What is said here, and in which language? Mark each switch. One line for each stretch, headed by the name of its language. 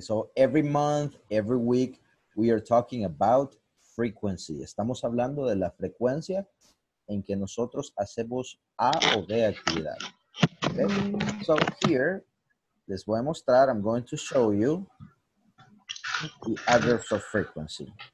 English: So every month, every week, we are talking about frequency.
Spanish: Estamos hablando de la frecuencia en que nosotros hacemos A o B actividad.
English: Okay? So here,
Spanish: les voy a mostrar,
English: I'm going to show you the adverbs of frequency.